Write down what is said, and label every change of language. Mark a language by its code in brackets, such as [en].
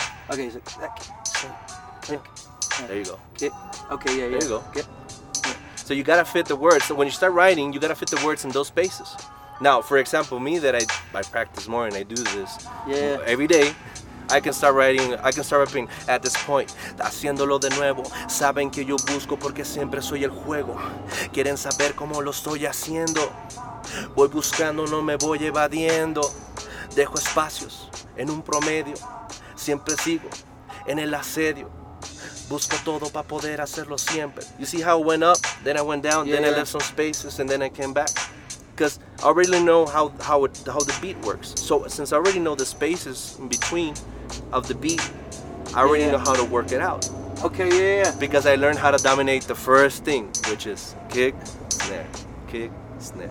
[en] Okay, so kick. There you go. Kick. Okay, yeah. There you go. Kick. So you got to fit the words. So when you start writing, you got to fit the words in those spaces. Now, for example, me that I practice more and I do this every day, I can start rapping at this point. [es] Haciéndolo de nuevo, saben que yo busco porque siempre soy el juego. Quieren saber cómo lo estoy haciendo. Voy buscando, no me voy evadiendo. Dejo espacios en un promedio. Siempre sigo en el asedio. Busco todo para poder hacerlo siempre. [en] You see how it went up, then I went down, then I left some spaces, and then I came back. Because I already know how the beat works. So since I already know the spaces in between of the beat, I already know how to work it out. Okay, yeah. Because I learned how to dominate the first thing, which is kick, snare, kick, snare.